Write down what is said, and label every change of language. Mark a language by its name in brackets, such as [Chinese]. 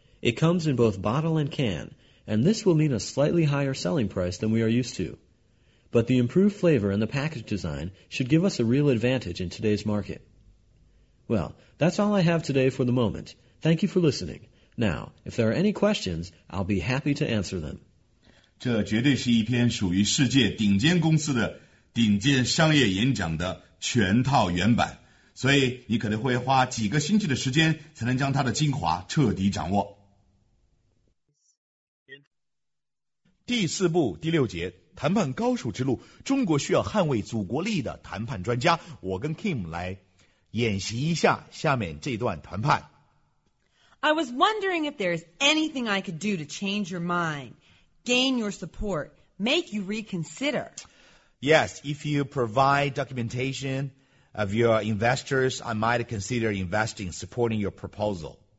[English] It comes in both bottle and can, and this will mean a slightly higher selling price than we are used to. But the improved flavor and the package design should give us a real advantage in today's market. Well, that's all I have today for the moment. Thank you for listening. Now, if there are any questions, I'll be happy to answer them. [Chinese] 这绝对是一篇属于世界顶尖公司的顶尖商业演讲的全套原版，所以你可能会花几个星期的时间才能将它的精华彻底掌握。第四步第六节，谈判高手之路，中国需要捍卫祖国利益的谈判专家，我跟 Kim 来演习一下下面这段谈判。 [English] I was wondering if there is anything I could do to change your mind. Gain your support, make you reconsider. Yes, if you provide documentation of your investors, I might consider investing, supporting your proposal.